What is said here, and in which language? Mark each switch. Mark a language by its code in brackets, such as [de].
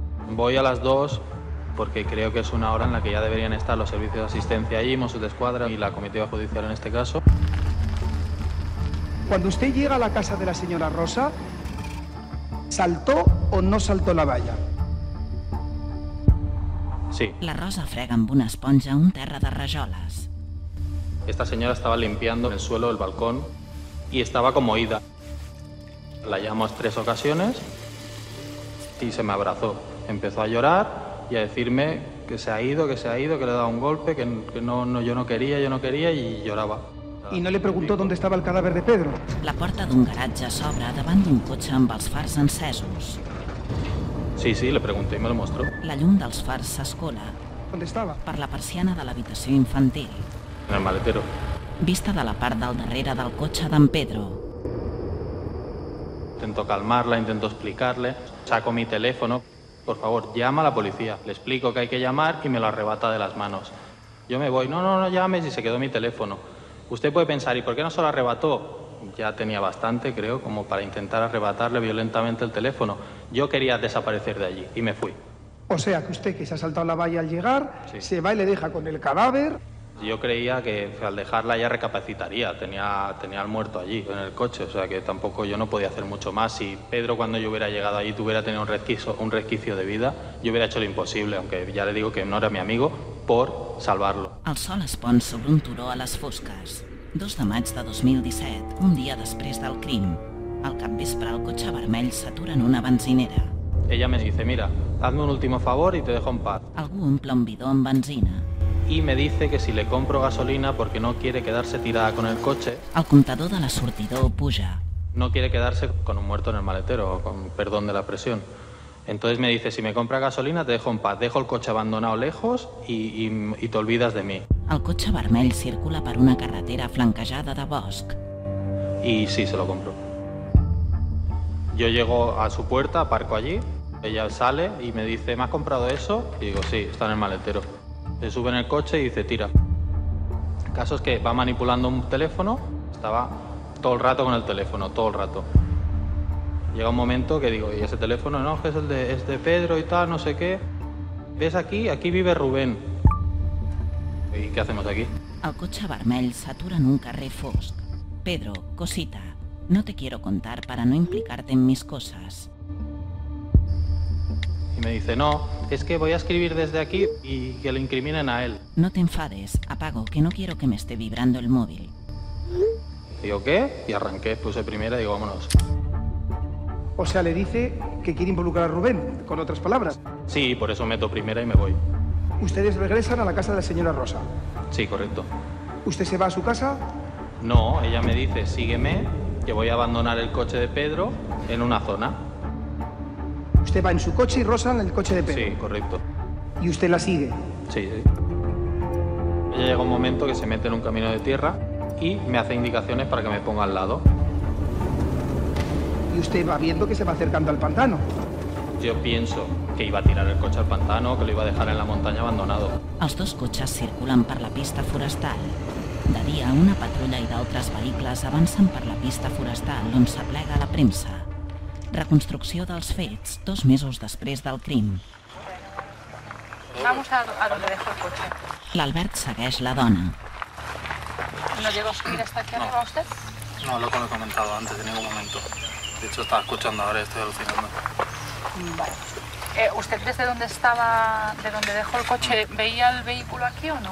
[es] Voy a las 2 porque creo que es una hora en la que ya deberían estar los servicios de asistencia allí, Mossos de Escuadra y la comitiva judicial en este caso. Cuando usted llega a la casa de la señora Rosa, ¿saltó o no saltó la valla? Sí. [ca] La Rosa frega amb una esponja un terra de rajoles. [es] Esta señora estaba limpiando el suelo del balcón y estaba como ida. La llamó 3 ocasiones y se me abrazó. Empezó a llorar y a decirme que se ha ido, que le he dado un golpe, que yo no quería y lloraba. ¿Y no le preguntó dónde estaba el cadáver de Pedro? [ca] La puerta de un garaje s'obre davant d'un cotxe amb els fars encesos. [es] Sí, le pregunté y me lo mostró. [ca] La llum dels fars s'escola. [es] ¿Dónde estaba? [ca] Per la persiana de l'habitació infantil. [es] En el maletero. [ca] Vista de la part del darrere del cotxe d'en Pedro. [es] Intento calmarla, intento explicarle. Saco mi teléfono. Por favor, llama a la policía. Le explico que hay que llamar y me lo arrebata de las manos. Yo me voy. No llames. Y se quedó mi teléfono. Usted puede pensar, ¿y por qué no se lo arrebató? Ya tenía bastante, creo, como para intentar arrebatarle violentamente el teléfono. Yo quería desaparecer de allí y me fui. O sea, que usted, que se ha saltado la valla al llegar, sí. Se va y le deja con el cadáver. Yo creía que al dejarla ya recapacitaría, tenía al muerto allí, en el coche, o sea que tampoco yo no podía hacer mucho más. Si Pedro, cuando yo hubiera llegado allí, tuviera tenido un resquicio de vida, yo hubiera hecho lo imposible, aunque ya le digo que no era mi amigo, por salvarlo. [ca] El sol es pon sobre un turó a les fosques. 2 de maig de 2017, un dia després del crim. Al capvespre, el cotxe vermell s'atura en una benzinera. [es] Ella me dice, mira, hazme un último favor y te dejo en paz. [ca] Algú omple un bidó amb benzina. [es] Y me dice que si le compro gasolina porque no quiere quedarse tirada con el coche. [ca] El comptador de la sortidor puja. [es] No quiere quedarse con un muerto en el maletero, con perdón de la expresión. Entonces me dice, si me compra gasolina te dejo en paz, dejo el coche abandonado lejos y te olvidas de mí. [ca] El cotxe vermell circula per una carretera flanquejada de bosc. [es] Y sí, se lo compro. Yo llego a su puerta, aparco allí, ella sale y me dice, ¿me has comprado eso? Y digo, sí, está en el maletero. Se sube en el coche y dice, tira. El caso es que va manipulando un teléfono. Estaba todo el rato con el teléfono, todo el rato. Llega un momento que digo, ¿y ese teléfono? No, que es de Pedro y tal, no sé qué. ¿Ves aquí? Aquí vive Rubén. ¿Y qué hacemos aquí? [ca] El cotxe a Barmel s'atura en un carrer fosc. [es] Pedro, cosita, no te quiero contar para no implicarte en mis cosas. Y me dice, no, es que voy a escribir desde aquí y que lo incriminen a él. No te enfades, apago, que no quiero que me esté vibrando el móvil. Digo, ¿qué? Y arranqué, puse primera y digo, vámonos. O sea, le dice que quiere involucrar a Rubén, con otras palabras. Sí, por eso meto primera y me voy. Ustedes regresan a la casa de la señora Rosa. Sí, correcto. ¿Usted se va a su casa? No, ella me dice, sígueme, que voy a abandonar el coche de Pedro en una zona. ¿Usted va en su coche y Rosa en el coche de Pedro? Sí, correcto. ¿Y usted la sigue? Sí, sí. Ella llega un momento que se mete en un camino de tierra y me hace indicaciones para que me ponga al lado. ¿Y usted va viendo que se va acercando al pantano? Yo pienso que iba a tirar el coche al pantano, que lo iba a dejar en la montaña abandonado. [ca] Els dos cotxes circulen per la pista forestal. De dia, una patrulla i d'altres vehicles avancen per la pista forestal on s'aplega la premsa. Reconstrucció dels fets, dos mesos després del crim. [es] Vamos a donde dejo el coche. [ca] L'Albert segueix la dona. [es] ¿No llegó a subir hasta aquí arriba usted? No, lo que le he comentado antes, en ningún momento. De hecho, estaba escuchando ahora y estoy alucinando. Vale. ¿Usted desde donde estaba, de donde dejó el coche, veía el vehículo aquí o no?